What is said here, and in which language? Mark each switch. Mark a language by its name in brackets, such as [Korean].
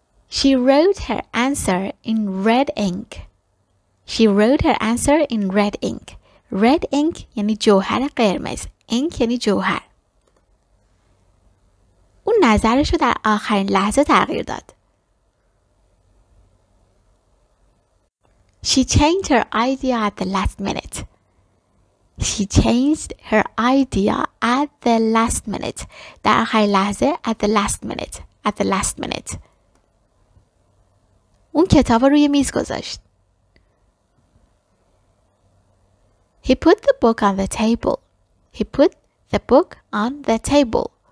[English] She wrote her answer in red ink. She wrote her answer in red ink. Red ink [Persian] یعنی جوهر قرمز. Ink یعنی جوهر. اون نظرش رو در آخرین لحظه تغییر داد. [English] She changed her idea at the last minute. She changed her idea at the last minute. [Persian] در آخرین لحظه [English] at the last minute. At the last minute. [Persian] اون کتاب روی میز گذاشت. [English] He put the book on the table. He put the book on the table.